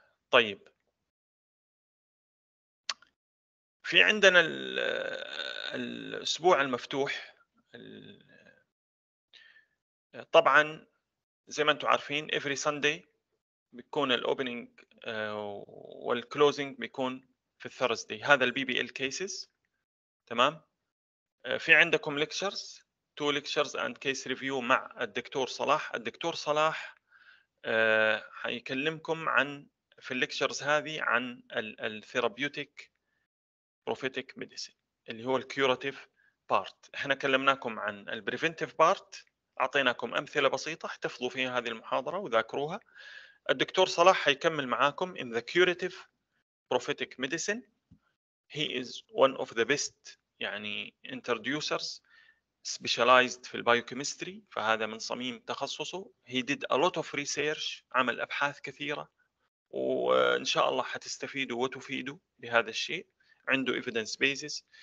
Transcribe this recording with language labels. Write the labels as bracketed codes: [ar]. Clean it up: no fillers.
[ar] طيب في عندنا الاسبوع المفتوح، طبعا زي ما انتم عارفين [en] every Sunday [ar] بيكون الopening والclosing بيكون في Thursday، هذا البي بي ال cases تمام. في عندكم [en] lectures two lectures and case review [ar] مع الدكتور صلاح. الدكتور صلاح حيكلمكم عن في lectures هذه عن [en] therapeutic prophetic medicine [ar] اللي هو [en] curative part. [ar] احنا كلمناكم عن [en] preventive part، [ar] أعطيناكم أمثلة بسيطة احتفظوا فيها هذه المحاضرة وذاكروها. الدكتور صلاح هيكمل معاكم [en] in the curative prophetic medicine. He is one of the best يعني introducers specialized [ar] في البيوكيمستري، فهذا من صميم تخصصه. [en] He did a lot of research، [ar] عمل أبحاث كثيرة، وإن شاء الله هتستفيدوا وتفيدوا بهذا الشيء، عنده [en] evidence basis.